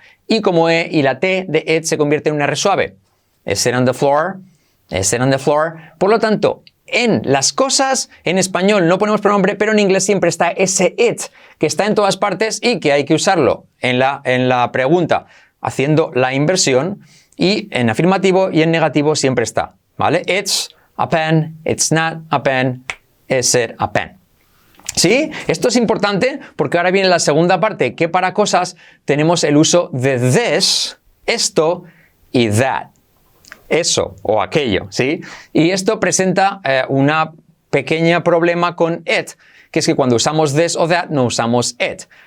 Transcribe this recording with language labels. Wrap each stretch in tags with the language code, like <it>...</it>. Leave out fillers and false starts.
<es>Y como E y la T de it se convierte en una R suave.</es> <en>Is it on the floor?</en> <es>Is it on the floor? Por lo tanto, en las cosas, en español no ponemos pronombre, pero en inglés siempre está ese it, que está en todas partes y que hay que usarlo en la pregunta, haciendo la inversión, y en afirmativo y en negativo siempre está, ¿vale?</es> <en>It's a pen, it's not a pen, is it a pen.</en> <es>¿Sí? Esto es importante porque ahora viene la segunda parte, que para cosas tenemos el uso de this, esto y that. Eso o aquello, ¿sí? Y esto presenta un pequeño problema con it, que es que cuando usamos this o that no usamos it.</es>